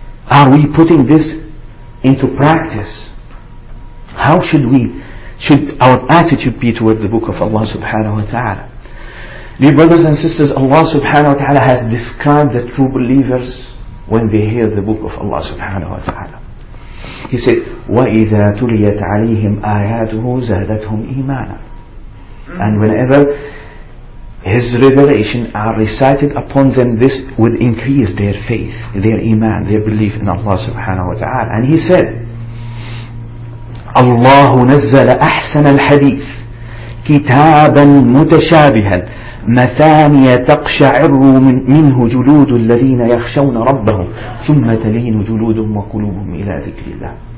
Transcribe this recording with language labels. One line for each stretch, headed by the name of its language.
English: Are we putting this into practice? How should we should our attitude be toward the book of Allah subhanahu wa ta'ala? Dear brothers and sisters, Allah subhanahu wa ta'ala has described the true believers when they hear the book of Allah subhanahu wa ta'ala. He said,
Arabic: وَإِذَا تُلِيَتْ عَلَيْهِمْ آيَاتُهُ زَادَتْهُمْ إِيمَانًا.
English: And whenever His revelation are recited upon them, this would increase their faith, their iman, their belief in Allah subhanahu wa ta'ala. And He said,
Arabic: اللَّهُ نَزَّلَ أَحْسَنَ الْحَدِيثِ كِتَابًا مُتَشَابِهًا مَثَانِيَ تَقْشَعِرُّ مِنْهُ جُلُودُ الَّذِينَ يَخْشَوْنَ رَبَّهُمْ ثُمَّ تَلِينُ جُلُودُهُمْ وَقُلُوبُهُمْ إِلَىٰ ذِكْرِ اللَّهِ.